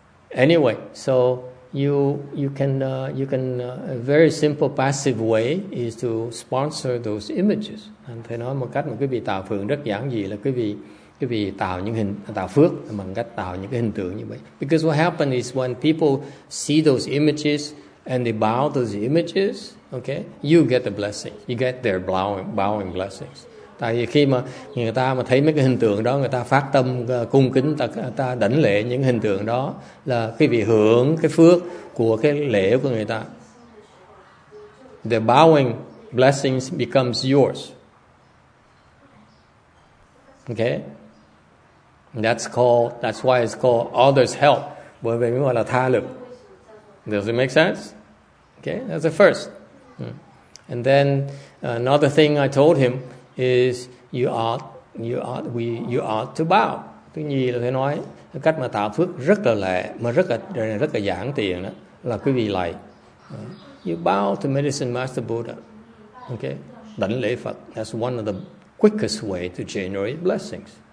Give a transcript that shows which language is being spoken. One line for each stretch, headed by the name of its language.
English: Anyway, so you can a very simple passive way is to sponsor those images.
Vietnamese: And thầy nói một cách mà quý vị tạo phước rất giản dị là quý vị tạo những hình tạo phước bằng cách tạo những cái hình tượng như vậy.
English: Because what happens is when people see those images and they bow those images, okay, you get the blessing. You get their bowing blessings.
Vietnamese: Tại vì khi mà người ta mà thấy mấy cái hình tượng đó, người ta phát tâm cung kính, ta đảnh lễ những hình tượng đó là quý vị hưởng cái phước của cái lễ của người ta.
English: The bowing blessings becomes yours. Okay? That's why it's called others help.
Vietnamese: Bởi vì mình gọi là tha lực.
English: Does it make sense? Okay, that's the first. And then another thing I told him is you ought to bow.
Vietnamese: Thứ nhì là thầy nói cách mà tạo phước rất là lệ mà rất là giản tiện đó là quý vị lạy.
English: You bow to Medicine Master Buddha. Okay,
Vietnamese: đảnh lễ Phật.
English: That's one of the quickest way to generate blessings.